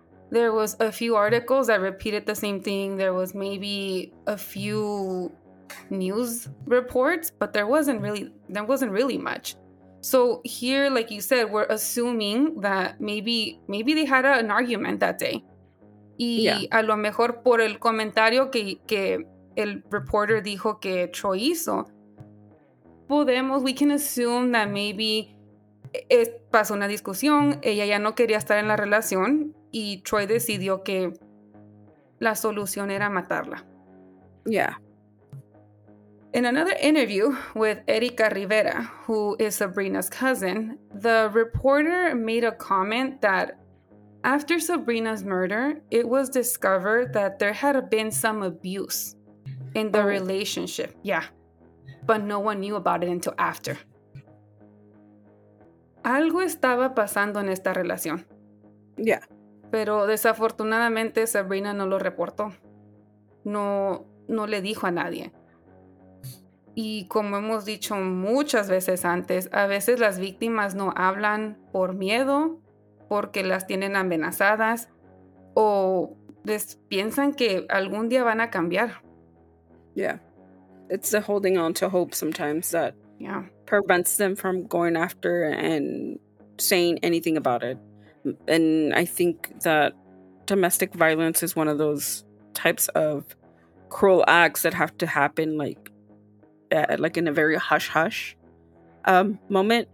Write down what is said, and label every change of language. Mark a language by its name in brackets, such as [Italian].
[English] There was a few articles that repeated the same thing. There was maybe a few news reports, but there wasn't really much. So here, like you said, we're assuming that maybe they had an argument that day. [Spanish] Y yeah. A lo mejor por el comentario que el reporter dijo que Troy hizo, [English] we can assume that maybe [Spanish] pasó una discusión, ella ya no quería estar en la relación y Troy decidió que la solución era matarla. [English] Yeah. In another interview with Erica Rivera, who is Sabrina's cousin, the reporter made a comment that after Sabrina's murder, it was discovered that there had been some abuse in the relationship. Yeah. But no one knew about it until after. [Spanish] Algo estaba pasando en esta relación. [English] Yeah. [Spanish] Pero desafortunadamente, Sabrina no lo reportó. No le dijo a nadie. Y como hemos dicho muchas veces antes, a veces las víctimas no hablan por miedo, porque las tienen amenazadas, o piensan que algún día van a cambiar. [English] Yeah. It's the holding on to hope sometimes that prevents them from going after and saying anything about it. And I think that domestic violence is one of those types of cruel acts that have to happen like in a very hush-hush moment.